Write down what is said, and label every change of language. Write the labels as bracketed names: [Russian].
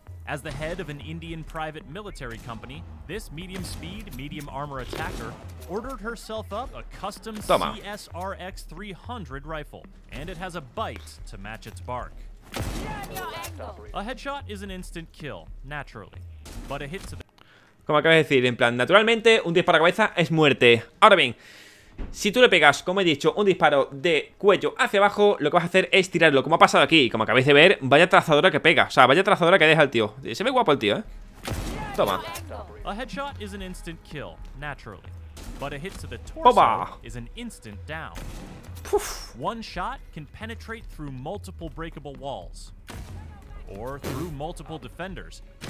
[English] As the head of an Indian private military company, this medium-speed, medium-armor attacker ordered herself up a custom CSRX 300 rifle, and it has a bite to match its bark. A headshot is an instant kill, naturally, but a hit to the... [Spanish] Como acabas de decir, en plan, naturalmente, un disparo a cabeza es muerte. Ahora bien, si tú le pegas, como he dicho, un disparo de cuello hacia abajo, lo que vas a hacer es tirarlo, como ha pasado aquí. Como acabáis de ver, vaya trazadora que pega. O sea, vaya trazadora que deja el tío. Se ve guapo el tío, Toma. [English] A headshot is an instant kill, naturally. But a hit to the torso Opa. Is an instant down. Puf. One shot can penetrate through multiple breakable walls. Or through multiple defenders.